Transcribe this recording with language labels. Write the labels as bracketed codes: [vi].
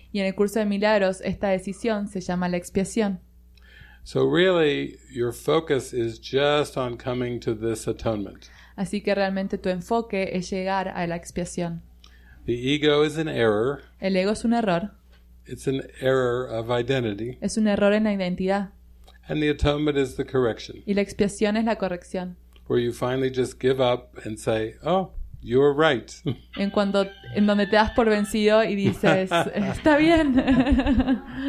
[es] Y en el curso de milagros, esta decisión se llama la expiación. [en] So really, your focus is just on coming to this atonement. [es] Así que realmente tu enfoque es llegar a la expiación. [en] The ego is an error. [es] El ego es un error. [en] It's an error of identity. [es] Es un error en la identidad. [en] And the atonement is the correction. [es] Y la expiación es la corrección. [en] Where you finally just give up and say, oh, you're right. [es] En donde te das por vencido y dices, está bien.